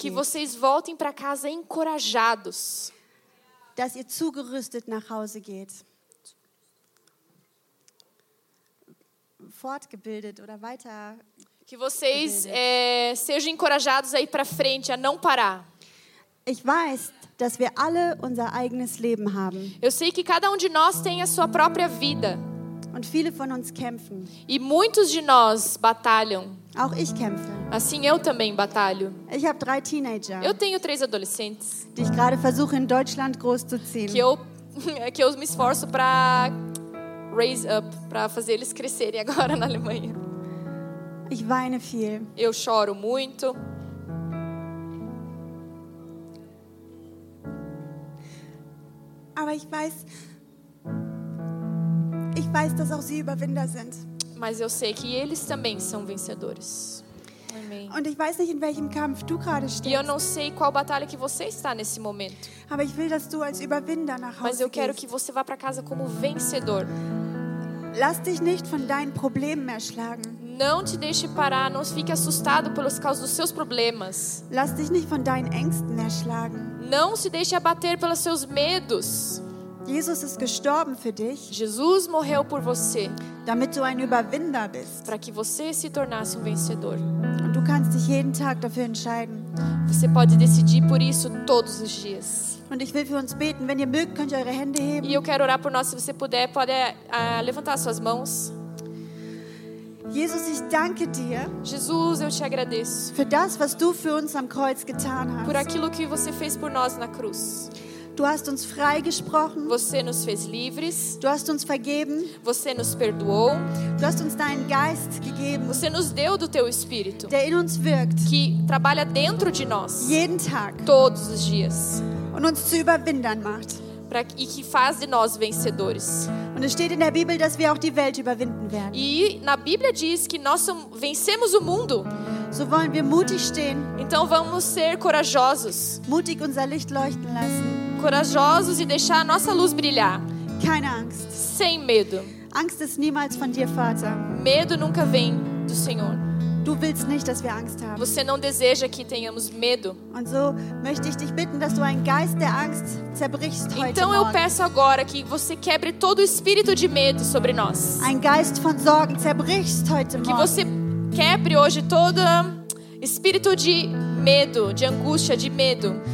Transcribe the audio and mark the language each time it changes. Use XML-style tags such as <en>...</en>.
<pt>Que vocês voltem para casa encorajados.</pt> <de>Dass ihr zugerüstet nach Hause geht. Fortgebildet oder weiter.</de> <pt>Que vocês sejam encorajados aí para frente a não parar.</pt> <de>Ich weiß, dass wir alle unser eigenes Leben haben.</de> <pt>Eu sei que cada de nós tem a sua própria vida.</pt> <de>Und viele von uns kämpfen.</de> <pt>E muitos de nós batalham.</pt> <de>Auch ich kämpfe.</de> <pt>Assim eu também batalho.</pt> <de>Ich habe drei Teenager.</de> <pt>Eu tenho três adolescentes.</pt> <de>Die ich gerade versuche in Deutschland großzuziehen.</de> <pt>Que eu me esforço para</pt> <en>raise up,</en> <pt>para fazer eles crescerem agora na Alemanha.</pt> <de>Ich weine viel.</de> <pt>Eu choro muito.</pt> <de>Aber ich weiß, dass auch sie Überwinder sind.</de> <pt>Mas eu sei que eles também são vencedores. Amém.</pt> <de>Und ich weiß nicht, in welchem Kampf du gerade stehst.</de> <pt>E eu não sei qual batalha que você está nesse momento.</pt> <de>Aber ich will, dass du als Überwinder nach Hause gehst.</de> <pt>Mas eu quero</pt> <de>gehst.</de> <pt>Que você vá para casa como vencedor.</pt> <de>Lass dich nicht von deinen Problemen erschlagen.</de> <pt>Não te deixe parar, não fique assustado pelos causas dos seus problemas.</pt> <de>Lass dich nicht von deinen Ängsten erschlagen.</de> <pt>Não se deixe abater pelos seus medos.</pt> <de>Jesus ist gestorben für dich.</de> <pt>Jesus morreu por você.</pt> <de>Damit du ein Überwinder bist.</de> <pt>Para que você se tornasse vencedor.</pt> <de>Und du kannst dich jeden Tag dafür entscheiden.</de> <pt>Você pode decidir por isso todos os dias.</pt> <de>Und ich will für uns beten. Wenn ihr mögt, könnt ihr eure Hände heben.</de> <pt>E eu quero orar por nós. Se você puder, pode levantar suas mãos.</pt> <de>Jesus, ich danke dir.</de> <pt>Jesus, eu te agradeço.</pt> <de>Für das, was du für uns am Kreuz getan hast.</de> <pt>Por aquilo que você fez por nós na cruz.</pt> <de>Du hast uns freigesprochen.</de> <pt>Você nos fez livres.</pt> <de>Du hast uns vergeben.</de> <pt>Você nos perdoou.</pt> <de>Du hast uns deinen Geist gegeben.</de> <pt>Você nos deu do teu espírito.</pt> <de>Der in uns wirkt.</de> <pt>Que trabalha dentro de nós.</pt> <de>Jeden Tag.</de> <pt>Todos os dias.</pt> <de>Und uns zu Überwindern macht.</de> <pt>E que faz de nós vencedores.</pt> <de>Und es steht in der Bibel, dass wir auch die Welt überwinden werden.</de> <pt>E na Bíblia diz que nós vencemos o mundo.</pt> <de>So wollen wir mutig stehen.</de> <pt>Então vamos ser corajosos.</pt> <de>Mutig unser Licht leuchten lassen.</de> <pt>Corajosos e deixar a nossa luz brilhar.</pt> <de>Keine Angst.</de> <pt>Sem medo.</pt> <de>Angst ist niemals von dir, Vater.</de> <pt>Medo nunca vem do Senhor.</pt> <de>Du willst nicht, dass wir Angst haben.</de> <pt>Você não deseja que tenhamos medo.</pt> <de>Und so möchte ich dich bitten, dass du einen Geist der Angst zerbrichst heute.</de> <pt>Então eu peço agora que você quebre todo o espírito de medo sobre nós.</pt> <de>Ein Geist von Sorgen zerbrichst heute morgen.</de> <pt>Que você quebre hoje todo espírito de medo, de angústia, de medo.</pt>